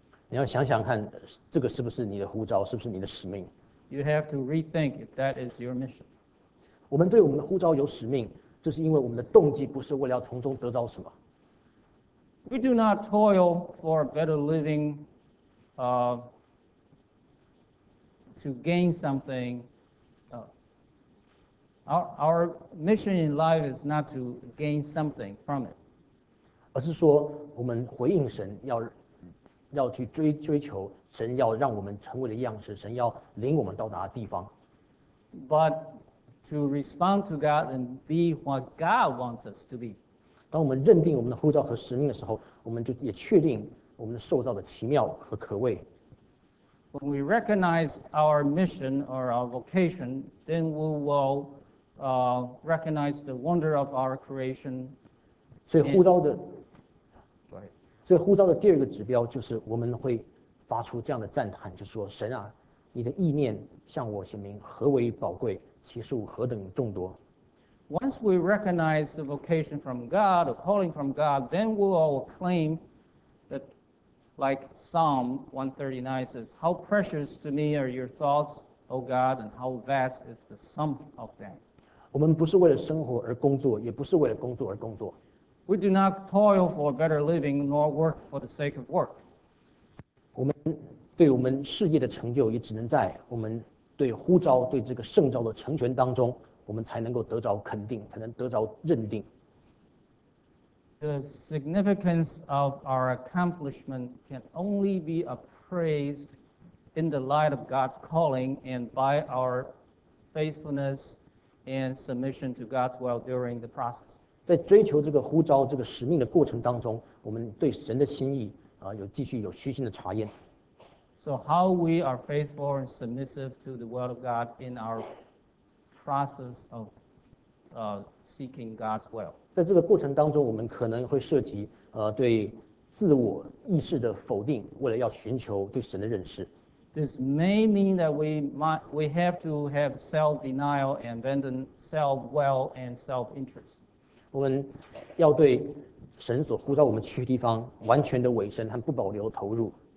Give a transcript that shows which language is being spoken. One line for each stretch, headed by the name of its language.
Chinese: 你要想想看，这个是不是你的呼召，是不是你的使命
English: ？You have to rethink if that is your mission.
Chinese: 我们对我们的呼召有使命，这是因为我们的动机不是为了要从中得到什么。
English: We do not toil for a better living, to gain something. Our mission in life is not to gain something from it.
Chinese: 而是说，我们回应神要去追求神要让我们成为的样式，神要领我们到达的地方。
English: But to respond to God and be what God wants us to be.
Chinese: 当我们认定我们的呼召和使命的时候，我们就也确定我们受造的奇妙和可畏。
English: When we recognize our mission or our vocation, then we will recognize the wonder of our creation.
Chinese: 所以呼召的。所以呼召的第二个指标就是我们会发出这样的赞叹，就说神啊，你的意念向我显明何为宝贵，其数何等众多。
English: Once we recognize the vocation from God, a calling from God, then we will claim that, like Psalm 139 says, "How precious to me are your thoughts, O God, and how vast is the sum of them."
Chinese: 我们不是为了生活而工作，也不是为了工作而工作。
English: We do not toil for a better living, nor work for the sake of work.
Chinese: 我们对我们事业的成就，也只能在我们对呼召、对这个圣召的成全当中，我们才能够得着肯定，才能得着认定。
English: The significance of our accomplishment can only be appraised in the light of God's calling and by our faithfulness and submission to God's will during the process.
Chinese: 在追求这个呼召、这个使命的过程当中，我们对神的心意有继续有虚心的查验。
English: So how we are faithful and submissive to the will of God in our process of seeking God's will.
Chinese: 在这个过程当中，我们可能会涉及对自我意识的否定，为了要寻求对神的认识。
English: This may mean that we have to have self-denial and abandon self-will and self-interest.
Chinese: 我们要对神所呼召我们去的地方完全的委身和不保留投入。